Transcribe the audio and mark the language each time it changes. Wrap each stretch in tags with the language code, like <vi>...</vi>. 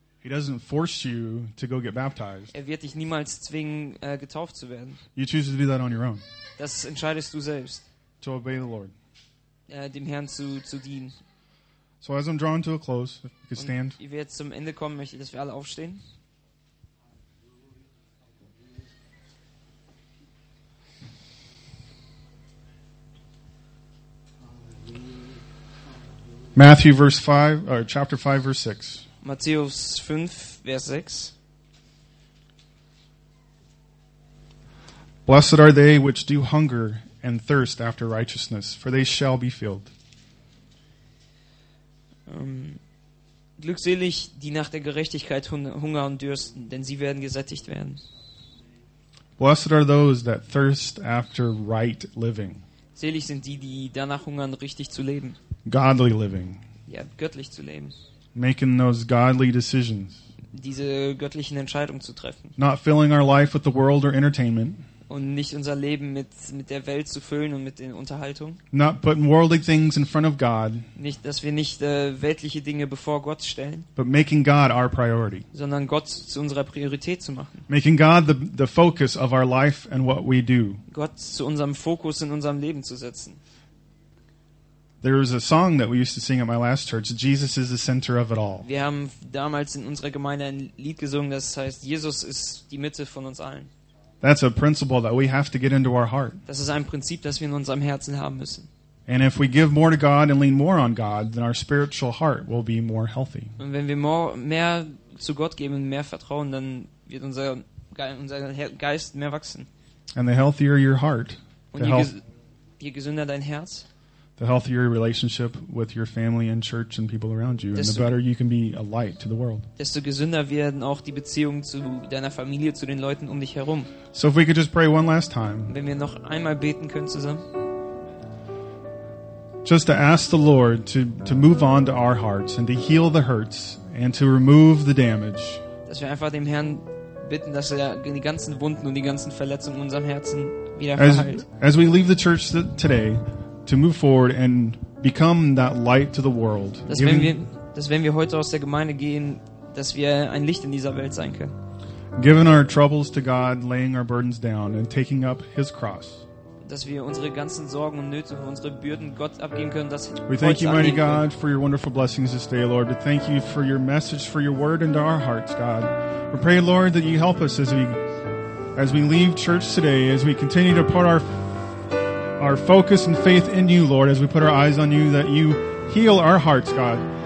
<en>He doesn't force you to go get baptized.</en> <de>Er wird dich niemals zwingen, getauft zu werden.</de> <en>You choose to do that on your own.</en> <de>Das entscheidest du selbst.</de> <en>To obey the Lord.</en> <de>Dem Herrn zu dienen.</de> <en>So as I'm drawn to a close, if you could stand.</en> <de>Ich werde zum Ende kommen, möchte, dass wir alle aufstehen.</de> <en>Matthew verse 5 or chapter 5 verse 6.</en> <de>Matthäus 5, Vers 6.</de> <en>Blessed are they which do hunger and thirst after righteousness, for they shall be filled.</en> <de>Glückselig, die nach der Gerechtigkeit hunger und dürsten, denn sie werden gesättigt werden.</de> <en>Blessed are those that thirst after right living.</en> <de>Selig sind die, die danach hungern, richtig zu leben.</de> <en>Godly living.</en> <de>Ja, göttlich zu leben.</de> <en>Making those godly decisions.</en> <de>Diese göttlichen Entscheidungen zu treffen.</de> <en>Not filling our life with the world or entertainment.</en> <de>Und nicht unser Leben mit der Welt zu füllen und mit den Unterhaltungen.</de> <en>Not putting worldly things in front of God.</en> <de>Nicht, dass wir nicht weltliche Dinge bevor Gott stellen.</de> <en>But making God our priority.</en> <de>Sondern Gott zu unserer Priorität zu machen.</de> <en>Making God the focus of our life and what we do.</en> <de>Gott zu unserem Fokus in unserem Leben zu setzen.</de> <en>There was a song that we used to sing at my last church. Jesus is the center of it all.</en> <de>Wir haben damals in unserer Gemeinde ein Lied gesungen, das heißt Jesus ist die Mitte von uns allen.</de> <en>That's a principle that we have to get into our heart.</en> <de>Das ist ein Prinzip, das wir in unserem Herzen haben müssen.</de> <en>And if we give more to God and lean more on God, then our spiritual heart will be more healthy.</en> <de>Und wenn wir mehr zu Gott geben und mehr vertrauen, dann wird unser Geist mehr wachsen.</de> <en>And the healthier your heart,</en> <de>je gesünder dein Herz,</de> <en>the healthier your relationship with your family and church and people around you, and the better you can be a light to the world.</en> <de>Desto gesünder werden auch die Beziehungen zu deiner Familie, zu den Leuten um dich herum.</de> <en>So if we could just pray one last time.</en> <de>Wenn wir noch einmal beten können zusammen.</de> <en>Just to ask the Lord to move on to our hearts and to heal the hurts and to remove the damage.</en> <de>Dass wir einfach dem Herrn bitten, dass er die ganzen Wunden und die ganzen Verletzungen in unserem Herzen wieder verheilt.</de> <en>As we leave the church today, to move forward and become that light to the world.</en> <de>Dass wenn wir heute aus der Gemeinde gehen, dass wir ein Licht in dieser Welt sein können.</de> <en>Giving our troubles to God, laying our burdens down and taking up his cross.</en> <de>Dass wir unsere ganzen Sorgen und Nöte und unsere Bürden Gott abgeben können, dass</de> <en>we thank you, mighty God, for your wonderful blessings this day, Lord. We thank you for your message, for your word into our hearts, God. We pray, Lord, that you help us as we leave church today, as we continue to put our focus and faith in you, Lord, as we put our eyes on you, that you heal our hearts, God.</en>